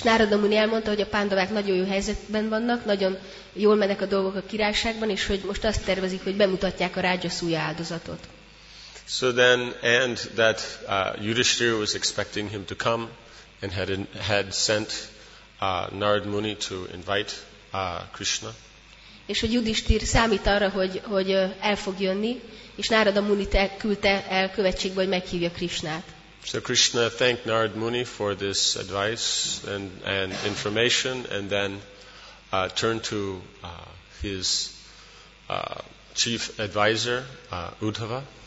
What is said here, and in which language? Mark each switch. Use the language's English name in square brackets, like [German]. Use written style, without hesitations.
[Hungarian] És Narada Muni elmondta, hogy a Pandavák nagyon jó helyzetben vannak, nagyon jól mennek a dolgok a királyságban, és hogy most azt tervezik, hogy bemutatják a Rajasuya áldozatot. [English] So then, and that Yudhishthira was expecting him to come, and had sent Narad Muni to invite Krishna. [Hungarian] És hogy Yudhishthira számít arra, hogy el fog jönni, és Narada Muni küldte el követségbe, hogy meghívja Krishnát. [English] So Krishna thanked Narad Muni for this advice and information, and then turned to his chief advisor, Uddhava.